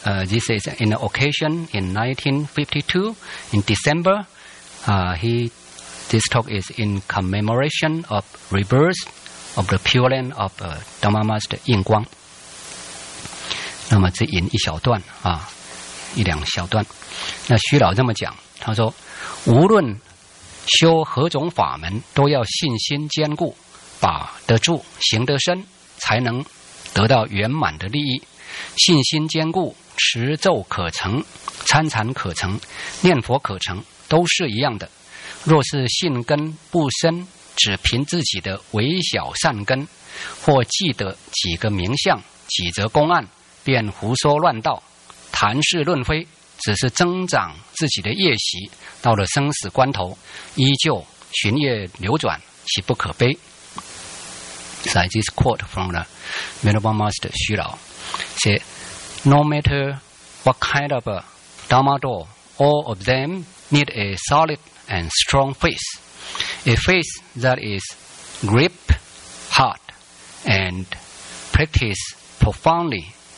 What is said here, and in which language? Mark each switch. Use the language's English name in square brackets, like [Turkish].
[English] This is in an occasion in 1952, in December. This talk is in commemoration of rebirth of the Pure Land of Dharma Master Yin Guang. [Chinese] 那么只引一小段啊，一两小段。那虚老这么讲，他说：无论修何种法门，都要信心坚固，把得住，行得深，才能得到圆满的利益。信心坚固，持咒可成，参禅可成，念佛可成，都是一样的。若是信根不深，只凭自己的微小善根，或记得几个名相、几则公案，便胡说乱道，谈事论非，只是增长自己的业习，到了生死关头，依旧寻业流转，岂不可悲？ [English] So this quote from the Venerable Master [Chinese] 虚老说， [English] No matter what kind of a Dharma door, all of them need a solid and strong faith. A faith that is grip hard and practice profoundly.